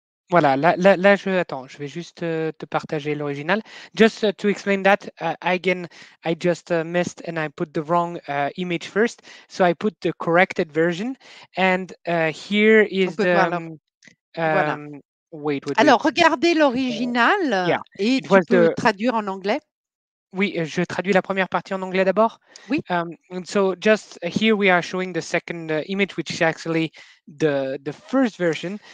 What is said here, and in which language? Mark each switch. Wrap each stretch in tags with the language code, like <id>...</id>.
<fr>Voilà, là, attends, je vais juste te partager l'original.</fr> <en>Just to explain that, I just missed and I put the wrong image first. So I put the corrected version. And here is the...</en> <fr>Voilà. Alors, regardez l'original et tu peux traduire en anglais. Oui, je traduis la première partie en anglais d'abord. Oui.</fr> <en>So just here we are showing the second image, which is actually the first version.</en>